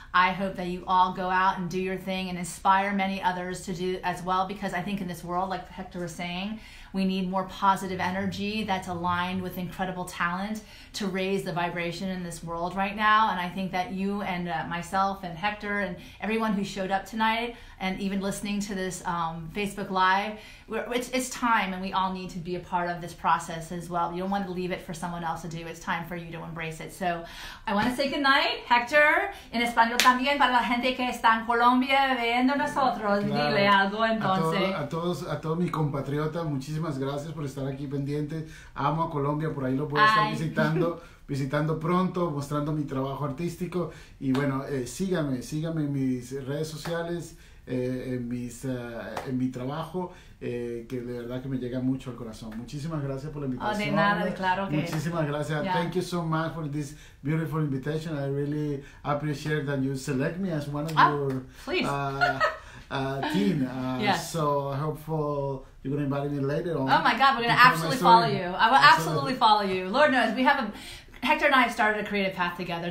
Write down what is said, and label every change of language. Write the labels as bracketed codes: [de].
[en] I hope that you all go out and do your thing and inspire many others to do as well, because I think in this world, like Hector was saying, we need more positive energy that's aligned with incredible talent to raise the vibration in this world right now. And I think that you and myself and Hector and everyone who showed up tonight and even listening to this Facebook Live, it's time, and we all need to be a part of this process as well. You don't want to leave it for someone else to do. It's time for you to embrace it. [es] So I want to say goodnight, Hector, en español también, para la gente que está en Colombia viendo nosotros. Claro. Dile algo entonces. A todos mis compatriotas, muchísimas gracias por estar aquí pendiente. Amo a Colombia, por ahí lo puedo estar visitando. Visitando pronto, mostrando mi trabajo artístico. Y bueno, síganme en mis redes sociales, en mi trabajo, que de verdad que me llega mucho al corazón. Muchísimas gracias por la invitación. Oh, de nada, claro que. Muchísimas gracias. Yeah. [en] Thank you so much for this beautiful invitation. I really appreciate that you select me as one of your team. Yes. So hopeful. You're going to invite me later on. Oh my God, we're going to absolutely follow you. I will absolutely follow you. Lord knows, Hector and I have started a creative path together.